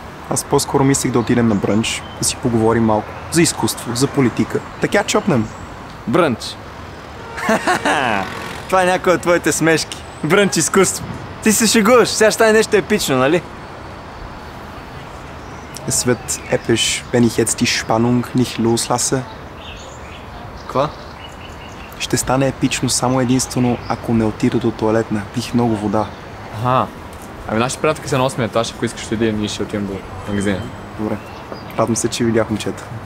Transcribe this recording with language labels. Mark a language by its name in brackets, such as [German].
[Bulgarian] Аз по-скоро мислих да отидем на брънч, да си поговорим малко за изкуство, за политика. Така чопнем. Брънч. Това е някоя от твоите смешки. Брънч изкуство. Ти се шегуваш, сега ще е нещо епично, нали? [German] Es wird episch, wenn ich jetzt die Spannung nicht loslasse. [Bulgarian] Ква? Ще стане епично само единствено, ако не отида до туалетна. Пих много вода. Аха. Ами нашите приятелки са на 8 етаж, ако искаш да идем, ние ще отидем до магазина. Добре. Радвам се, че видях, момчета.